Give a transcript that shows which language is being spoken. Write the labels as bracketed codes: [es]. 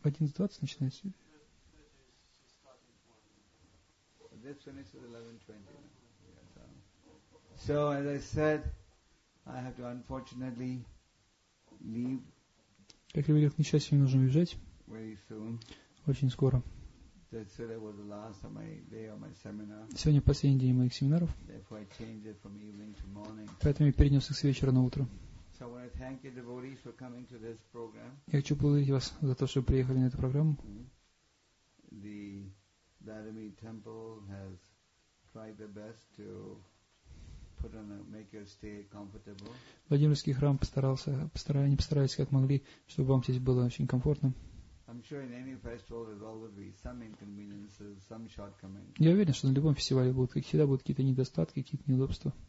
[ru] 11:20 начинается. [en] This finishes 11:20. No? So, as I said, I have to unfortunately leave. [ru] Как я говорил, к несчастью, мне нужно уезжать. [en] Very soon. [ru] Очень скоро. [en] Today was the last of my day of my seminar. [ru] Сегодня последний день моих семинаров. [en] Therefore, I changed it from evening to morning. [ru] Поэтому я перенесся с вечера на утро. [en] So I want to thank you, devotees, for coming to this program. [ru] Я хочу поблагодарить вас за то, что приехали на эту программу. [en] The Dharami Temple has tried their best to put on a, make your stay comfortable. [ru] Владимирский храм постарались как могли, чтобы вам здесь было очень комфортно. [en] I'm sure in any festival there will always be some inconveniences, some shortcomings. [ru] Я уверен, что на любом фестивале будут, как всегда, будут какие-то недостатки, какие-то неудобства.